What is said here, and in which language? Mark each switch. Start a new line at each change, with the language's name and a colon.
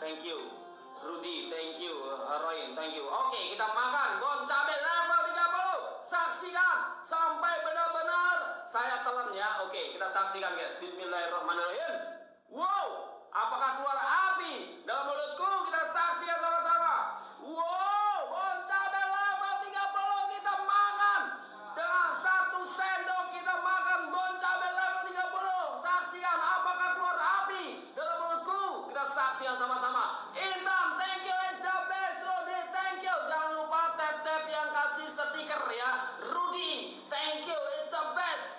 English: Thank you Rudy, thank you Roy, thank you.
Indonesian: Oke, kita makan bon cabe level 30. Saksikan sampai benar-benar saya telan ya. Oke, kita saksikan guys. Bismillahirrahmanirrahim. Wow, apakah keluar api dalam mulutku? Kita saksikan sama-sama. Wow, bon cabe level 30, kita makan dengan satu sendok. Kita makan bon cabe level 30. Saksikan apakah keluar api dalam mulutku? Kita saksikan sama-sama.
English: Intan, thank you, it's the best Rudy, thank you.
Indonesian: Jangan lupa tap yang kasih stiker ya.
English: Rudy, thank you, it's the best.